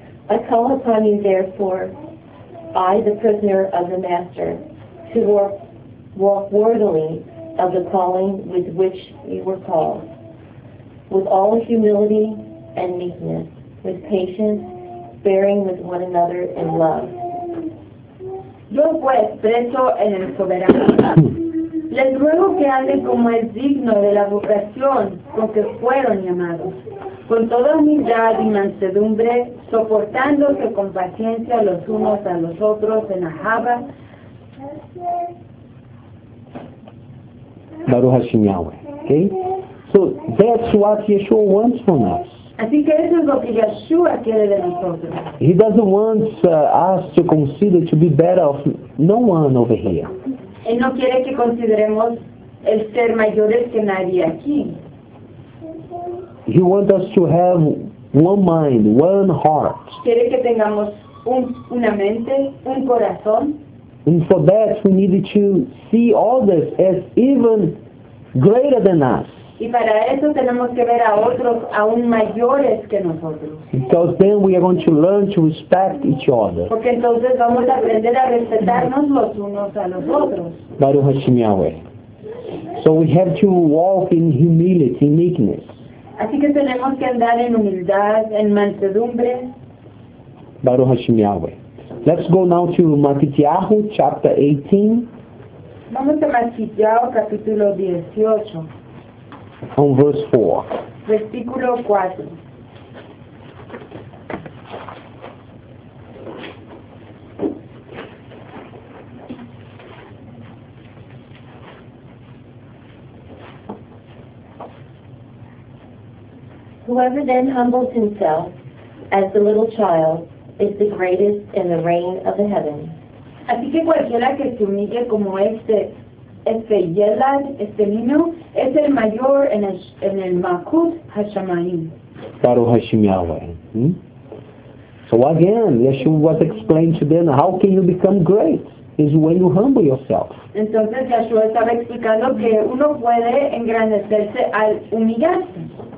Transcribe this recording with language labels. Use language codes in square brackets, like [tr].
[en] I call upon you therefore by the prisoner of the master to walk worthily of the calling with which you were called, with all humility and meekness, with patience, bearing with one another in love. [es] Yo pues preso en el soberano les ruego que anden como es digno de la vocación con que fueron llamados, con toda humildad y mansedumbre, soportándose con paciencia los unos a los otros en ajaba. [he] Baruch Hashem Yahweh. [en] Okay? So that's what Yeshua wants from us. [es] Así que eso es lo que Yeshua quiere de nosotros. [en] He doesn't want us to consider to be better of no one over here. [es] Él no quiere que consideremos el ser mayores que nadie aquí. [en] He wants us to have one mind, one heart. [es] Quiere que tengamos una mente, un corazón. [en] And for that we need to see others as even greater than us. [es] Y para eso tenemos que ver a otros aún mayores que nosotros. [en] Because then we are going to learn to respect each other. [es] Porque entonces vamos a aprender a respetarnos los unos a los otros. [he] Baruch Hashem Yahweh. [en] So we have to walk in humility, in meekness. [es] Así que tenemos que andar en humildad, en mansedumbre. [he] Baruch Hashem Yahweh. [en] Let's go now to Matityahu chapter 18. [es] Vamos a Matityahu capítulo 18. [en] On verse 4. [es] Versículo 4. [en] Whoever then humbles himself as the little child is the greatest in the reign of the heaven. [es] Así que cualquiera que se humille como este niño es el mayor en el [he] Malkut HaShamayim. Baruch Hashem Yahweh. [en] So again, Yeshua was explained to them, how can you become great? Is when you humble yourself. [es] Entonces Yeshua estaba explicando que uno puede engrandecerse al humillarse.